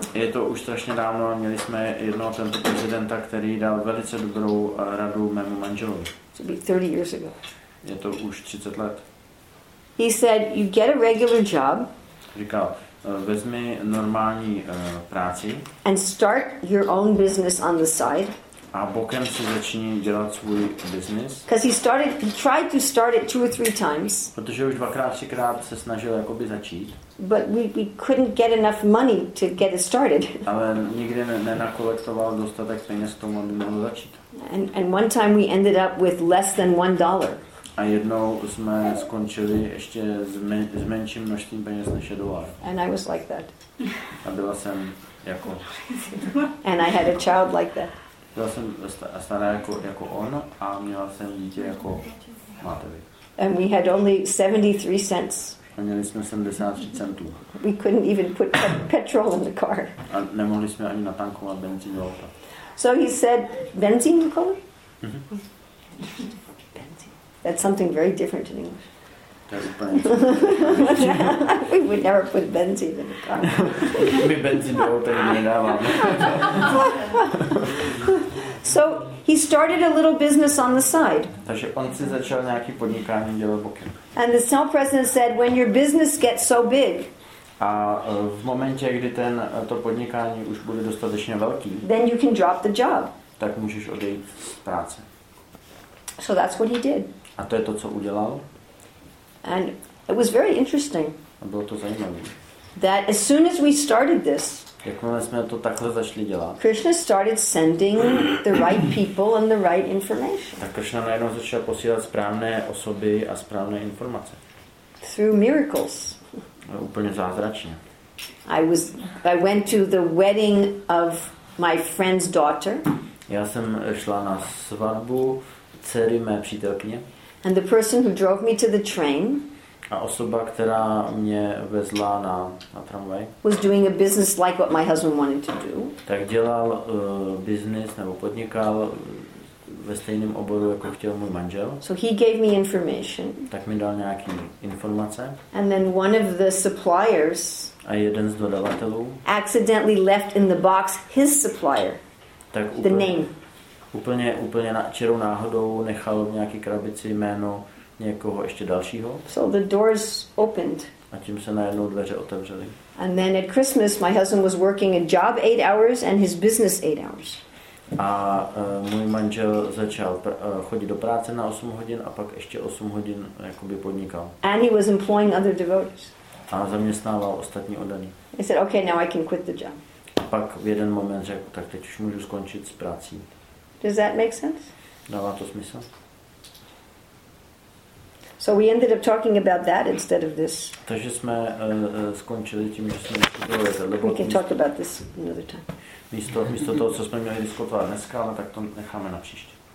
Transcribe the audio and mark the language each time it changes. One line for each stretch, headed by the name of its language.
Czech: Je to už strašně dávno, měli jsme jednoho temple prezidenta, který dal velice dobrou radu mému manželovi.
English: To be 30 years ago.
Czech: Je to už 30 let.
English: He said, you get a regular job.
Czech: Říkal, vezmi normální práci.
English: And start your own business on the side.
Czech: A bokem si začíná dělat svůj business.
English: Because he tried to start it two or three times.
Czech: Protože už dvakrát, třikrát se snažil jakoby začít.
English: But we couldn't get enough money to get it started.
Czech: Ale nikdy nenakolektoval dostatek peněz k tomu, aby mohl začít.
English: And one time we ended up with less than $1.
Czech: A jednou jsme skončili ještě s menším množstvím peněz než $1.
English: And I was like that.
Czech: A byla jsem jako.
English: And I had a child like that.
Czech: Byla jsem stará jako on a měla jsem dítě jako Matevi.
English: And we had only 73 cents.
Czech: A měli jsme 73 centů.
English: We couldn't even put petrol in the car.
Czech: A nemohli jsme ani natankovat benzín do auta.
English: So he said, benzín, you call it? That's something very different in English. We would never put benzene in the car.
Czech: My benzene do auta nedáváme.
English: So he started a little business on the side.
Czech: Takže on si začal nějaký podnikání dělat bokem.
English: And the cell president said, when your business gets so big,
Czech: a v momentě, kdy to podnikání už bude dostatečně velký,
English: then you can drop the job.
Czech: Tak můžeš odejít z práce.
English: So that's what he did.
Czech: A to je to, co udělal.
English: And it was very interesting.
Czech: A bylo to zajímavé.
English: That as soon as we started this,
Czech: jakmile jsme to takhle začali dělat,
English: Krishna started sending the right people and the right information.
Czech: Tak Krishna najednou začal posílat správné osoby a správné informace.
English: Through miracles.
Czech: Úplně zázračně.
English: I went to the wedding of my friend's daughter.
Czech: Já jsem šla na svatbu dcery mé přítelkyně.
English: And the person who drove me to the train,
Czech: a osoba, která mě vezla na tramvaj,
English: was doing a business like what my husband wanted to do.
Czech: Tak dělal business nebo podnikal ve stejném oboru, jako chtěl můj manžel.
English: So he gave me information.
Czech: Tak mi dal nějaký informace.
English: And then one of the suppliers,
Czech: a jeden z dodavatelů,
English: accidentally left in the box his supplier,
Czech: tak úplně,
English: the name.
Czech: Úplně čirou náhodou nechal v nějaký krabici jméno někoho ještě dalšího.
English: So the doors opened.
Czech: A tím se najednou dveře otevřely.
English: And then at Christmas my husband was working a job 8 hours and his business 8 hours.
Czech: A můj manžel začal chodit do práce na 8 hodin a pak ještě 8 hodin jakoby podnikal.
English: And he was employing other devotees.
Czech: A zaměstnával ostatní oddaní.
English: I said, okay, now I can quit the job.
Czech: A pak v jeden moment řekl, tak teď už můžu skončit s prací.
English: Does that make sense?
Czech: Dává to smysl?
English: So we ended up talking about that instead of this.
Czech: Takže jsme skončili tím, že jsme diskutovali.
English: We can talk about this another time.
Czech: Místo toho, co jsme měli diskutovat dneska, ale tak to necháme na příště.